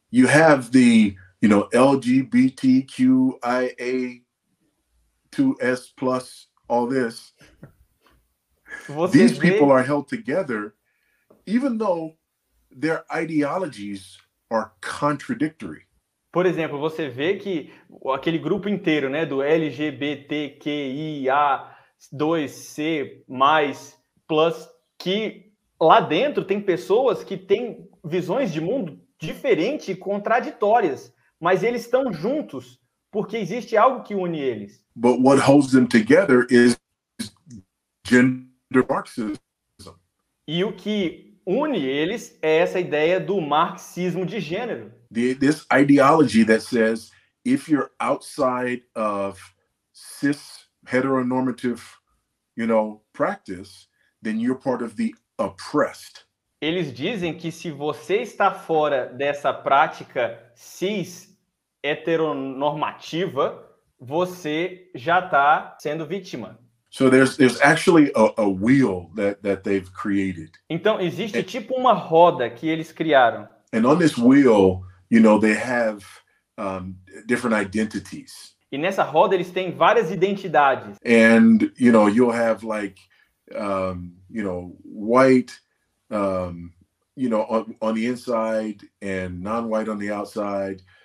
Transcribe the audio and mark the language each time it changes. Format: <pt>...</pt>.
<en>You have the, you know, LGBTQIA 2S plus all this. These people are held together, even though their ideologies are contradictory.</en> <pt>Por exemplo, você vê que aquele grupo inteiro, né, do LGBTQIA2C+, que lá dentro tem pessoas que têm visões de mundo diferentes e contraditórias, mas eles estão juntos porque existe algo que une eles.</pt> <en>But what holds them together is gender Marxism.</en> <pt>E o que une eles é essa ideia do marxismo de gênero.</pt> <en>This ideology that says if you're outside of cis heteronormative, practice, then you're part of the oppressed.</en> <pt>Eles dizem que se você está fora dessa prática cis heteronormativa, você já está sendo vítima.</pt> <en>So there's actually a wheel that they've created.</en> <pt>Então, existe tipo uma roda que eles criaram.</pt> <en>And on this wheel, they have different identities.</en> <pt>E nessa roda eles têm várias identidades.</pt> <en>And you'll have like white on the inside and non-white on the outside.</en>